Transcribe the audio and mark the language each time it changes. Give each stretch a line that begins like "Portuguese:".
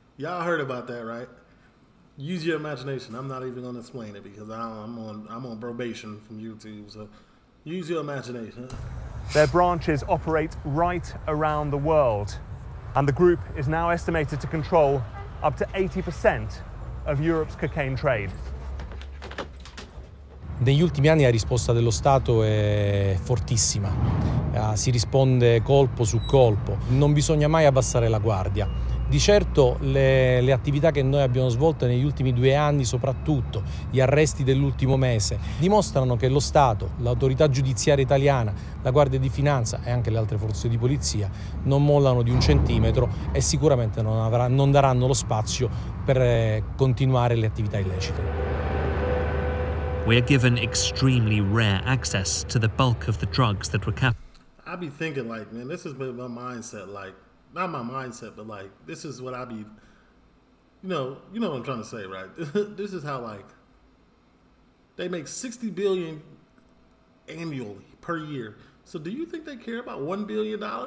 English: Y'all heard about that, right? Use your imagination. I'm not even gonna explain it because I'm on probation from YouTube, so use your imagination. Their branches operate right around the world, and the group is now estimated to control up to 80% of Europe's cocaine trade.
Italian: Negli ultimi anni la risposta dello Stato è fortissima. Si risponde colpo su colpo. Non bisogna mai abbassare la guardia. Di certo le attività che noi abbiamo svolto negli ultimi 2 anni, soprattutto gli arresti dell'ultimo mese, dimostrano che lo Stato, l'autorità giudiziaria italiana, la Guardia di Finanza e anche le altre forze di polizia non mollano di un centimetro e sicuramente non daranno lo spazio per continuare le attività illecite.
English: We are given extremely rare access to the bulk of the drugs that were captured. I be thinking like, man, this is my mindset, like, not my mindset, but like, this is what I be, you know what I'm trying to say, right? This is how, like, they make 60 billion annually per year. So do you think they care about $1 billion?